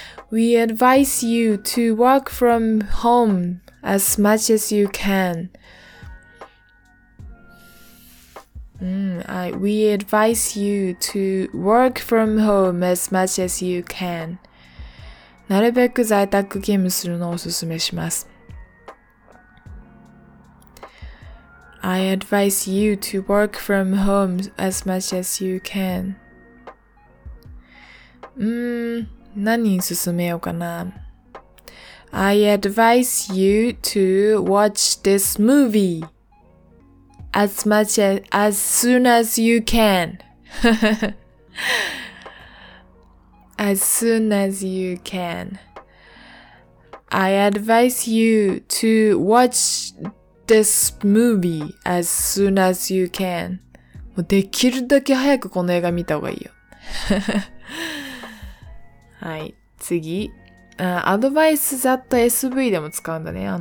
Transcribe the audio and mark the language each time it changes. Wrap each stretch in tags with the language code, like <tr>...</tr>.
<en>We advise you to work from home as much as you can.、We advise you to work from home as much as you can.</en> <ja>なるべく在宅勤務するのをおすすめします。</ja> <en>I advise you to work from home as much as you can.</en> <ja>何に進めようかな。</ja> <en>I advise you to watch this movie as much as soon as you can. As soon as you can. I advise you to watch this movie as soon as you can.</en> <ja>もうできるだけ早くこの映画見た方がいいよ。はい、次。アドバイスザット SV でも使うんだね。</ja>